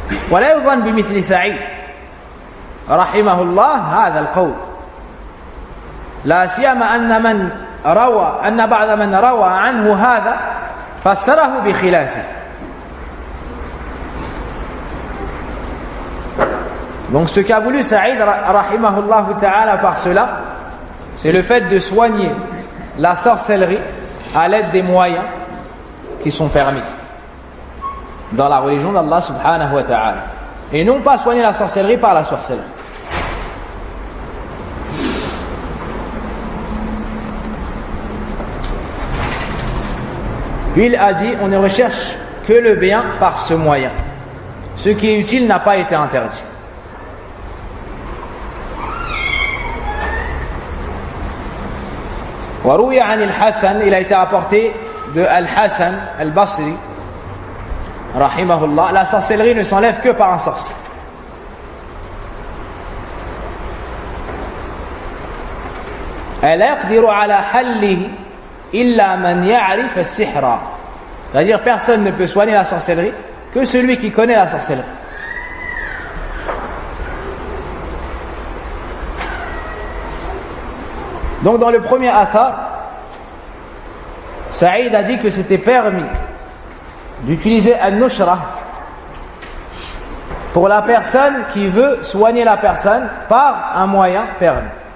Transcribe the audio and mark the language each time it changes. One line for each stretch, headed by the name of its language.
Arabic: ولا يظن بمثل سعيد رحمه الله هذا القول لا سيما أن من روى أن بعض من روى عنه هذا فسره بخلافه.
French: Donc ce qu'a voulu Saïd rahimahullah ta'ala par cela, c'est le fait de soigner la sorcellerie à l'aide des moyens qui sont permis dans la religion d'Allah subhanahu wa ta'ala, et non pas soigner la sorcellerie par la sorcellerie. Puis il a dit, on ne recherche que le bien par ce moyen. Ce qui est utile n'a pas été interdit.
Arabic: وروي عن الحسن,
French: il a été apporté de Al-Hasan Al-Basri rahimahullah, la sorcellerie ne s'enlève que par un sorcier. Elle
Arabic: يقدر على حله إلا من يعرف السحر.
French: C'est-à-dire, personne ne peut soigner la sorcellerie que celui qui connaît la sorcellerie. Donc, dans le premier athar, Saïd a dit que c'était permis d'utiliser un nushra pour la personne qui veut soigner la personne par un moyen permis.